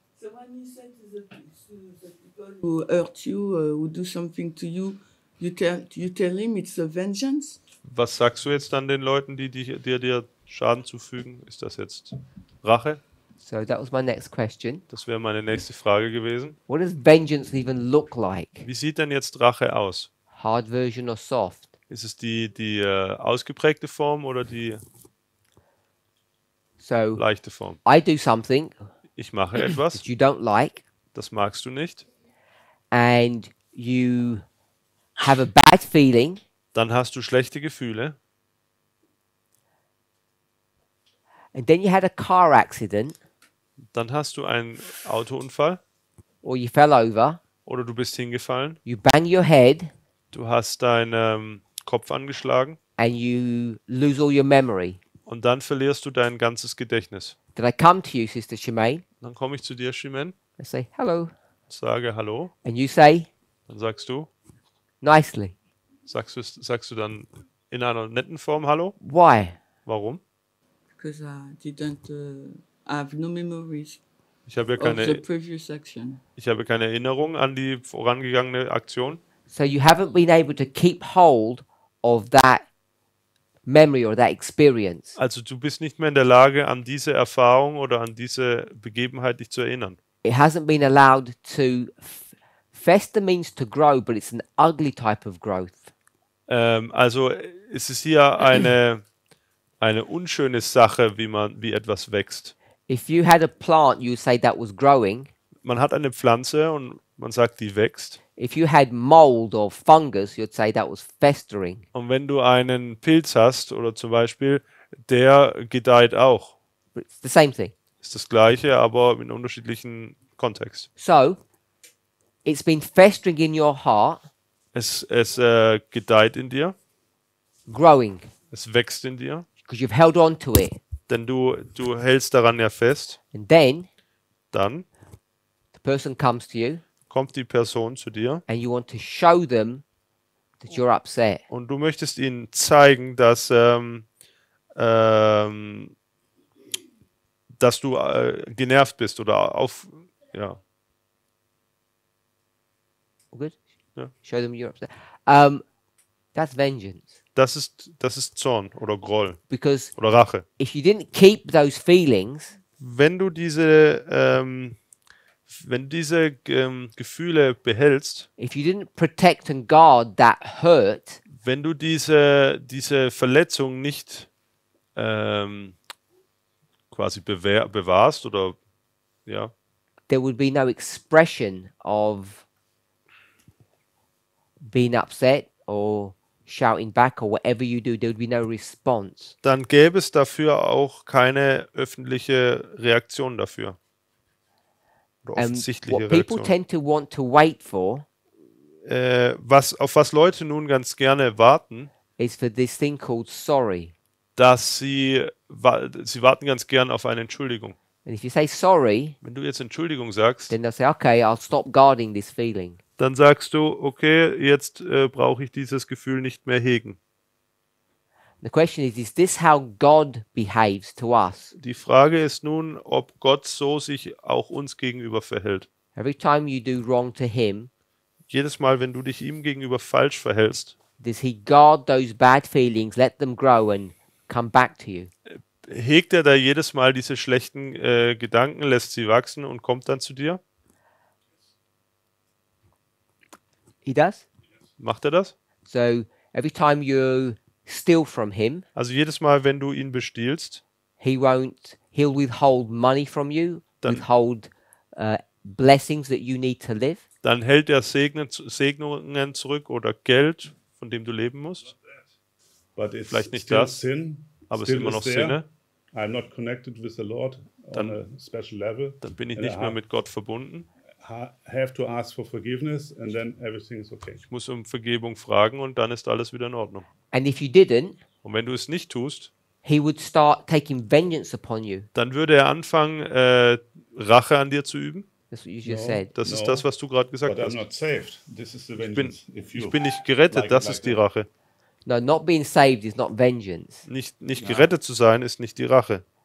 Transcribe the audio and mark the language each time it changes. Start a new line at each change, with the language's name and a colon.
English: so when you say to the people who hurt you who do something to you, you tell him it's a vengeance.
German: Was sagst du jetzt dann den Leuten, die dir Schaden zufügen? Ist das jetzt Rache?
English: So that was my next question.
German: Das wäre meine nächste Frage gewesen.
English: What does vengeance even look like?
German: Wie sieht denn jetzt Rache aus?
English: Hard version or soft?
German: Ist es die ausgeprägte Form oder die leichte Form?
English: I do something.
German: Ich mache etwas.
English: You don't like.
German: Das magst du nicht.
English: And you have a bad feeling.
German: Dann hast du schlechte Gefühle.
English: And then you had a car accident.
German: Dann hast du einen Autounfall.
English: Or you fell over.
German: Oder du bist hingefallen.
English: You bang your head.
German: Du hast deinen Kopf angeschlagen.
English: And you lose all your memory.
German: Und dann verlierst du dein ganzes Gedächtnis.
English: Then I come to you, Sister Shemaine.
German: Dann komme ich zu dir, Shemaine.
English: I say hello.
German: Sage hallo.
English: And you say.
German: Dann sagst du.
English: Nicely.
German: Sagst du dann in einer netten Form hallo?
English: Why?
German: Warum?
English: Because I didn't have no memories.
German: Ich habe ja keine.
English: Of the previous action.
German: Ich habe keine Erinnerung an die vorangegangene Aktion.
English: So you haven't been able to keep hold of that memory or that experience.
German: Also du bist nicht mehr in der Lage, an diese Erfahrung oder an diese Begebenheit dich zu erinnern.
English: It hasn't been allowed to fester means to grow, but it's an ugly type of growth.
German: Also es ist hier eine unschöne Sache, wie etwas wächst.
English: If you had a plant, you say that was growing.
German: Man hat eine Pflanze und man sagt, die wächst.
English: If you had mold or fungus, you'd say that was festering.
German: Und wenn du einen Pilz hast oder zum Beispiel, der gedeiht auch.
English: It's the same thing.
German: Ist das gleiche, aber in unterschiedlichen Kontext.
English: So, it's been festering in your heart.
German: Es gedeiht in dir.
English: Growing.
German: Es wächst in dir.
English: Because you've held on to it.
German: Denn du hältst daran ja fest.
English: And then.
German: Dann.
English: The person comes to you.
German: Kommt die Person zu dir.
English: And you want to show them that you're upset.
German: Und du möchtest ihnen zeigen, dass dass du genervt bist oder auf ja.
English: All good.
German: Ja.
English: Show them you're upset. That's vengeance.
German: Das ist Zorn oder Groll.
English: Because
German: oder Rache.
English: If you didn't keep those feelings.
German: Wenn du diese Gefühle behältst.
English: If you didn't protect and guard that hurt.
German: Wenn du diese Verletzung nicht quasi bewahrst oder ja.
English: There would be no expression of being upset or shouting back or whatever you do, there would be no response.
German: Dann gäbe es dafür auch keine öffentliche Reaktion dafür. Offensichtliche
English: what people
German: Reaktion.
English: Tend to want to wait for,
German: was Leute nun ganz gerne warten,
English: is for this thing called sorry.
German: Dass sie warten ganz gern auf eine Entschuldigung.
English: And if you say sorry,
German: wenn du jetzt Entschuldigung sagst,
English: then they'll say, okay, I'll stop guarding this feeling.
German: Dann sagst du, okay, jetzt brauche ich dieses Gefühl nicht mehr hegen.
English: The question is this how God behaves to us?
German: Die Frage ist nun, ob Gott so sich auch uns gegenüber verhält.
English: Every time you do wrong to him,
German: jedes Mal, wenn du dich ihm gegenüber falsch verhältst,
English: does he guard those bad feelings, let them grow and come back to you?
German: Hegt er da jedes Mal diese schlechten Gedanken, lässt sie wachsen und kommt dann zu dir?
English: He does?
German: Macht er das?
English: So every time you steal from him,
German: also jedes Mal, wenn du ihn bestiehlst,
English: he'll withhold money from you,
German: dann,
English: withhold blessings that you need to live.
German: Dann hält er Segnungen zurück oder Geld, von dem du leben musst.
English: But
German: vielleicht nicht das,
English: sin,
German: aber es ist immer noch Sinne.
English: I'm not connected with the Lord on a special level.
German: Dann bin ich nicht mehr mit Gott verbunden.
English: Have to ask for forgiveness and then everything is okay.
German: Ich muss Vergebung fragen und dann ist alles wieder in Ordnung.
English: And if you didn't,
German: und wenn du es nicht tust,
English: he would start taking vengeance upon you.
German: Dann würde er anfangen, Rache an dir zu üben.
English: That's what you just said.
German: Das ist das, was du gerade gesagt
English: but
German: hast.
English: I'm not saved. This is the vengeance.
German: Ich bin nicht gerettet, like, das like ist die Rache.
English: No, not being saved is not vengeance.
German: Nicht gerettet zu sein ist nicht die Rache.